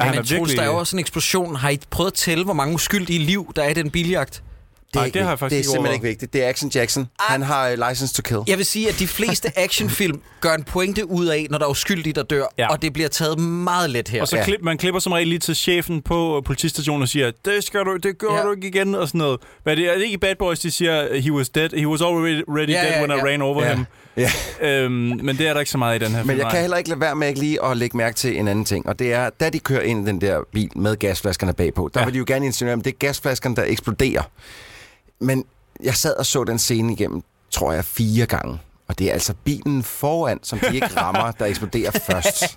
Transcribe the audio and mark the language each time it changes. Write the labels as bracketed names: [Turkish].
[Danish] Ja, men Troels, der er jo også en eksplosion. Har I prøvet at tælle, hvor mange uskyldige liv, der er i den biljagt? Det har jeg faktisk ikke. Det er simpelthen ikke vigtigt. Det er Action Jackson. Han har License to Kill. Jeg vil sige, at de fleste actionfilm gør en pointe ud af, når der er uskyldige, der dør. Ja. Og det bliver taget meget let her. Og så, ja, man klipper som regel lige til chefen på politistationen og siger, det skal du, det gør, ja, du ikke igen, og sådan noget. Hvad er det ikke i Bad Boys, de siger, [English] he was dead, he was already, [Danish] ja, [English] dead, [Danish] ja, [English] when, [Danish] ja, [English] I ran over, [Danish] ja, [English] him. [Danish] Ja. Men det er der ikke så meget i den her film. Men jeg kan heller ikke lade være med lige at lægge mærke til en anden ting. Og det er, da de kører ind i den der bil med gasflaskerne bagpå, der, ja, vil de jo gerne insinuere, at det er gasflaskerne, der eksploderer. Men jeg sad og så den scene igennem, tror jeg, fire gange. Og det er altså bilen foran, som de ikke rammer, der eksploderer først.